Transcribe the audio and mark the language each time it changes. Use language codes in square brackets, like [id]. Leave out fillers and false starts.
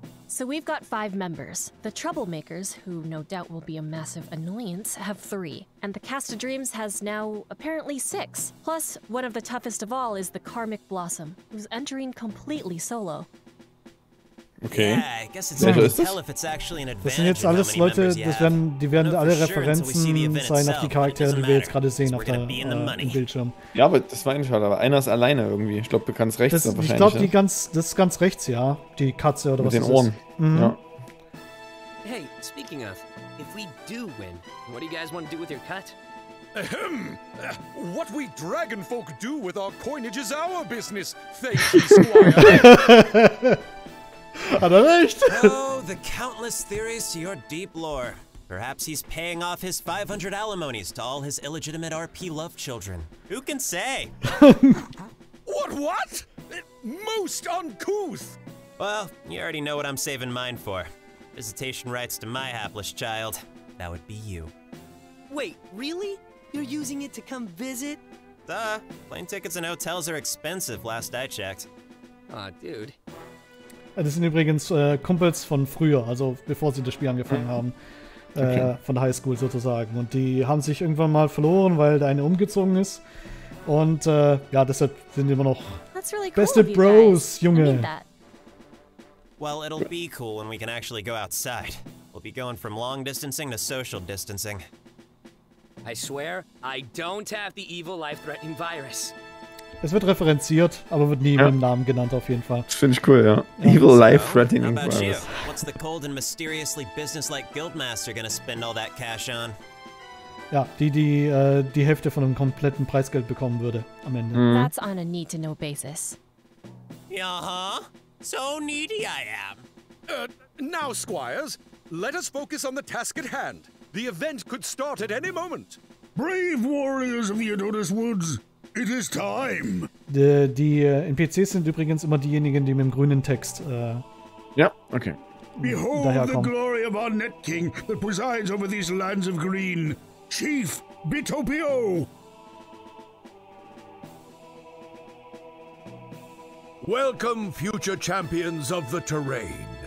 [en] So we've got five members. The Troublemakers, who no doubt will be a massive annoyance, have three. And the Cast of Dreams has now apparently six. Plus, one of the toughest of all is the Karmic Blossom, who's entering completely solo. Okay. Ja, [de] welcher ist das? Das sind jetzt alles Leute, die werden alle Referenzen sein auf die Charaktere, die wir jetzt gerade sehen auf der, im Bildschirm. Ja, aber das war nicht, aber einer ist alleine irgendwie. Ich glaube, du kannst rechts das, wahrscheinlich. Ich glaube, ja. Das ist ganz rechts, ja. Die Katze oder mit was den Ohren. Mhm. Ja. [en] Hey, speaking of, if we do win, what do you guys want to do with your cut? Ahem! What we dragonfolk do with our coinage is our business, thank you, Squire! [de] Hat er recht! [en] Oh, the countless theories to your deep lore. Perhaps he's paying off his 500 alimonies to all his illegitimate RP love children. Who can say? What? Most uncouth! Well, you already know what I'm saving mine for. Visitation rights to my hapless child. That would be you. Wait, really? You're using it to come visit? Duh. Plane tickets and hotels are expensive, last I checked. Aw, dude. [de] Das sind übrigens Kumpels von früher, also bevor sie das Spiel angefangen haben. Okay. Von der Highschool sozusagen. Und die haben sich irgendwann mal verloren, weil der eine umgezogen ist. Und ja, deshalb sind immer noch [en] really cool [de] beste Bros, Junge. [en] Well, it'll be cool when we can actually go outside. We'll be going from long distancing to social distancing. I swear, I don't have the evil life-threatening virus. [de] Es wird referenziert, aber wird nie mit dem Namen genannt auf jeden Fall. Finde ich cool, ja. [en] Evil life-threatening virus. How about you? What's the cold and mysteriously business-like guildmaster gonna spend all that cash on? [de] Ja, die Hälfte von einem kompletten Preisgeld bekommen würde am Ende. [en] That's on a need-to-know basis. Uh-huh. So needy I am. Now, squires, let us focus on the task at hand. The event could start at any moment. Brave warriors of the Adonis Woods, it is time. [de] Die NPCs sind übrigens immer diejenigen, die mit dem grünen Text Okay. [en] Behold the glory of our Net King that presides over these lands of green. Chief Bitopio. Welcome, future champions of the terrain.